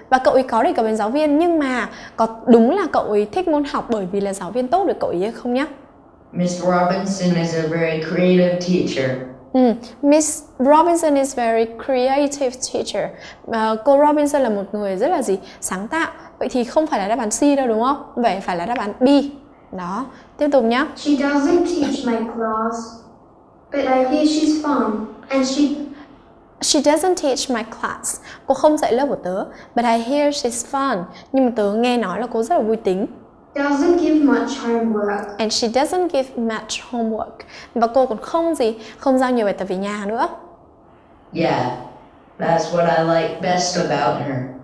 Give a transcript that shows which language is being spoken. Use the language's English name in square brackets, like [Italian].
[Vietnamese] Và cậu ấy có đề cập đến giáo viên, nhưng mà có đúng là cậu ấy thích môn học bởi vì là giáo viên tốt được cậu ấy hay không nhá? [English] Miss Robinson is a very creative teacher. Miss Robinson is very creative teacher. [Vietnamese] Cô Robinson là một người rất là gì? Sáng tạo. Vậy thì không phải là đáp án C đâu, đúng không? Vậy phải là đáp án B. Đó, tiếp tục nhá. [English] She doesn't teach my class, but I hear she's fun and she doesn't teach my class. [Vietnamese] Cô không dạy lớp của tớ, [English] but I hear she's fun. [Vietnamese] Nhưng mà tớ nghe nói là cô rất là vui tính. [English] Doesn't give much homework. And she doesn't give much homework. [Vietnamese] Và cô còn không gì, không giao nhiều bài tập về nhà nữa. [English] Yeah. That's what I like best about her.